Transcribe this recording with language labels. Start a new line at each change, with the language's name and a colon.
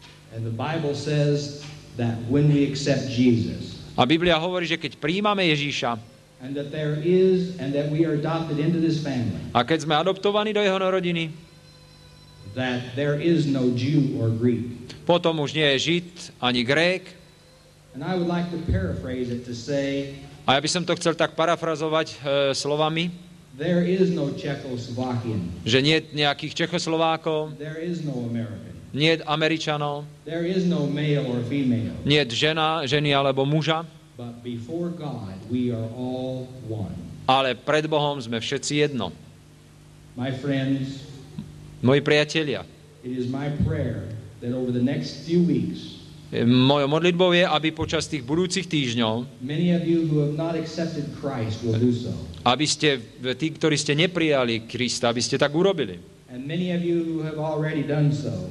English: And the Bible says that when we accept Jesus.
Slovak: A Biblia hovorí, že keď prijímame Ježíša.
English: And that there is and that we are adopted into this family.
Slovak: A keď sme adoptovaní do jeho rodiny.
English: That there is no Jew or Greek.
Slovak: Potom už nie je Žid ani Grék.
English: And I would like to paraphrase it to say.
Slovak: A ja by som to chcel tak parafrazovať slovami.
English: There is no Czechoslovakian.
Slovak: Že nie je nejakých Čechoslovákov.
English: There is no American.
Slovak: niet Američanov,
English: there is no male or female,
Slovak: niet žena, ženy alebo muža,
English: but before God we are all one.
Slovak: Ale pred Bohom sme všetci jedno.
English: My friends,
Slovak: moji priatelia,
English: it is my prayer that over the next few weeks,
Slovak: mojou modlitbou je, aby počas tých budúcich týždňov,
English: many of you who have not accepted Christ will do so,
Slovak: aby ste, tí, ktorí ste neprijali Krista, aby ste tak urobili.
English: And many of you who have already done so,